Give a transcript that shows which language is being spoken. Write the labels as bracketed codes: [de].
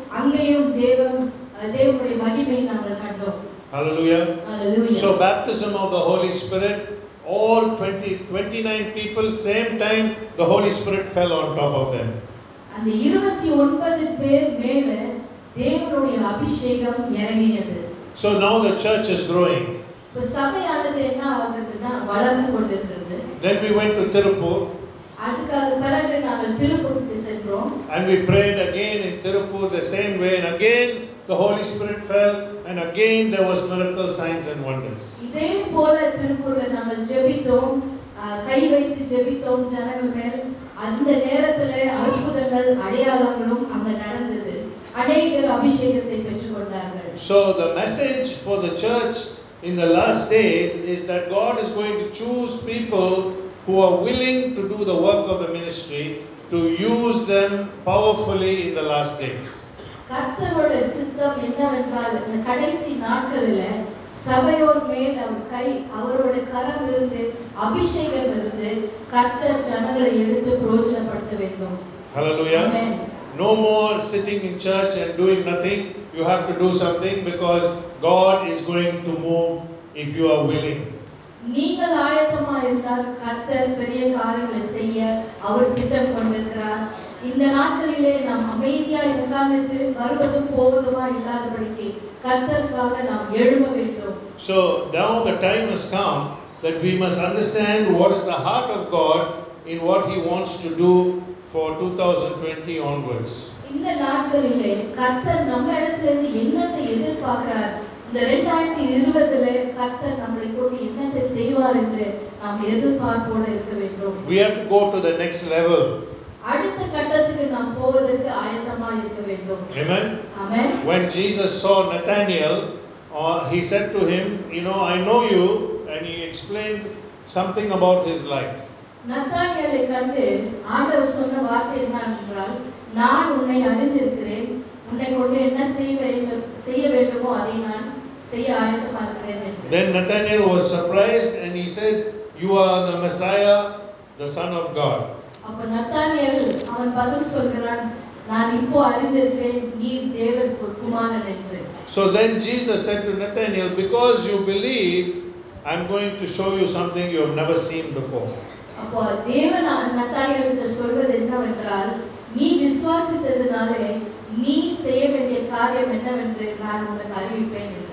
[ta] அங்கேயும் தேவனுடைய மகிமையை நாங்கள் கண்டோம். [en] Hallelujah. Hallelujah. So baptism of the Holy Spirit, all 29 people, same time the Holy Spirit fell on top of them. And the [ta] 29 பேர் மேல தேவனுடைய அபிஷேகம் இறங்கியது. [en] So now the church is growing. [ta] சபையானது என்ன ஆகுதுன்னா வளர்ந்து கொண்டிருக்கிறது. [en] Then we went to Tirupur. [ta] அதுக்கு பிறகு நாங்கள் திருப்பூருக்கு சென்றோம். [en] And we prayed again in Tirupur the same way, and again the Holy Spirit fell, and again there was miracles, signs and wonders. [ta] இதே போல திருப்பூர்ல நாங்கள் ஜெபித்தோம், கை வைத்து ஜெபித்தோம் ஜனங்கள் மேல். அந்த நேரத்துல அற்புதங்கள் அடையாளங்களும் அங்கு நடந்தது. அநேகர் அபிஷேகத்தை பெற்றுக் கொண்டார்கள். [en] So the message for the church in the last days is that God is going to choose people who are willing to do the work of the ministry, to use them powerfully in the last days. [ta] கர்த்தருடைய சித்தம் என்னவென்றால், இந்த கடைசி நாட்களில் சபையோர் மேல் அவர் கை அவருடைய கரம் இருந்து அபிஷேகம் இருந்து கர்த்தர் ஜனங்களை எடுத்து பிரயோஜனப்படுத்த வேண்டும். [en] Hallelujah. Amen. No more sitting in church and doing nothing. You have to do something because God is going to move if you are willing. [ta] நீங்கள் ஆயத்தமா இருந்தால் கர்த்தர் பெரிய காரியங்களை செய்ய அவர் திட்டம் கொண்டிருக்கிறார். இந்த நாட்களிலே நாம் அமைதியா உட்கார்ந்து வருவதும் போவதுமா இல்லாதபடிக்கு கர்த்தருக்காக நாம் எழும்ப வேண்டும். [en] So now the time has come that we must understand what is the heart of God in what he wants to do for 2020 onwards. [ta] இந்த நாட்களிலே கர்த்தர் நம்ம இடத்துல இருந்து என்னத்தை எதிர்பார்க்கிறார், இந்த 2020 கர்த்தர் நம்மளை கொண்டு என்னத்தை செய்வார் என்று நாம் எதிர்பார்ப்போடு இருக்க வேண்டும். [en] We have to go to the next level. [ta] அடுத்த கட்டத்துக்கு நாம் போவதற்கு ஆயத்தமா இருக்க வேண்டும். [en] Amen. Amen. When Jesus saw Nathanael, he said to him, you know, I know you, and he explained something about his life. [ta] நத்தானியலை கண்டு ஆண்டவர் சொன்ன வார்த்தை என்ன என்றால், நான் உன்னை அறிந்திருக்கிறேன், உன்னை கொண்டு என்ன செய்ய வேண்டுமோ அதை நான் செய்ய ஆயத்தமாக்கிறேன். [en] Then Nathanael was surprised and he said, you are the Messiah, the Son of God. [ta] அப்ப நத்தானியல் அவன் பதில் சொல்கிறான், நான் இப்போ அறிந்திருக்கிறேன், நீர் தேவன் குமாரன் என்று. [en] So then Jesus said to Nathanael, because you believe, I'm going to show you something you have never seen before. [ta] அப்போ தேவன் நத்தானியலுக்கு சொல்வது என்னவென்றால், நீ விசுவாசித்ததினாலே நீ செய்ய வேண்டிய காரியம் என்னவென்று நான் உனக்கு அறிவிப்பேன்.